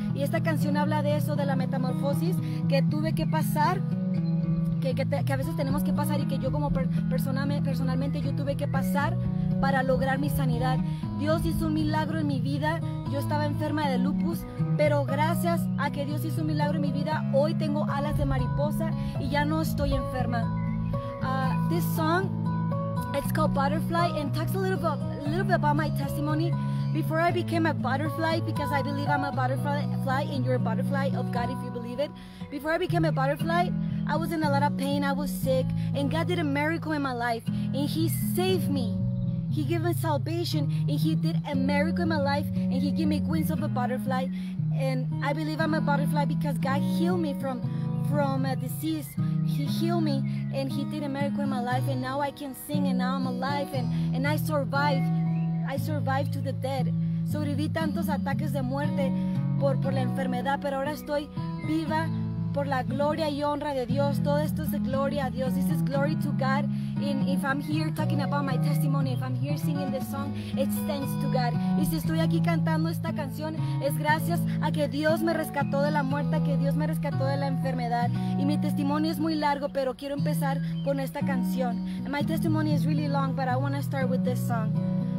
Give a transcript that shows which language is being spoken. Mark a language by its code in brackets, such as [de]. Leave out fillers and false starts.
[es] Y esta canción habla de eso, de la metamorfosis que tuve que pasar, que a veces tenemos que pasar, y que yo como personalmente yo tuve que pasar para lograr mi sanidad. Dios hizo un milagro en mi vida. Yo estaba enferma de lupus, pero gracias a que Dios hizo un milagro en mi vida, hoy tengo alas de mariposa y ya no estoy enferma. [en] This song, it's called Butterfly, and talks a little bit about my testimony. Before I became a butterfly, because I believe I'm a butterfly and you're a butterfly of God if you believe it. Before I became a butterfly, I was in a lot of pain. I was sick, and God did a miracle in my life, and He saved me. He gave me salvation, and He did a miracle in my life, and He gave me wings of a butterfly. And I believe I'm a butterfly because God healed me from a disease. He healed me, and He did a miracle in my life, and now I can sing, and now I'm alive, and I survived. I survived to the dead. [es] Sobreviví tantos ataques de muerte por la enfermedad, pero ahora estoy viva por la gloria y honra de Dios. Todo esto es de gloria a Dios. [en] This is glory to God. And if I'm here talking about my testimony, if I'm here singing this song, it's thanks to God. [es] Y si estoy aquí cantando esta canción, es gracias a que Dios me rescató de la muerte, que Dios me rescató de la enfermedad. Y mi testimonio es muy largo, pero quiero empezar con esta canción. [en] And my testimony is really long, but I want to start with this song.